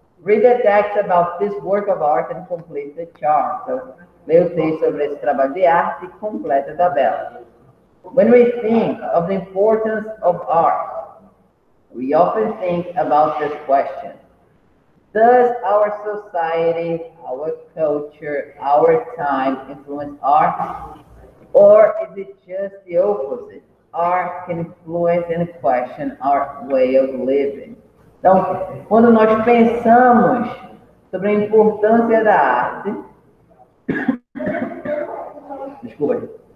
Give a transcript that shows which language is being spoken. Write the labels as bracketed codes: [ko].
[en] Read the text about this work of art and complete the chart. [pt] Então, leia o texto sobre esse trabalho de arte e completa a tabela. [en] When we think of the importance of art, we often think about this question. Does our society, our culture, our time influence art? Or is it just the opposite? Art can influence and question our way of living. [pt] Então, quando nós pensamos sobre a importância da arte... Desculpa.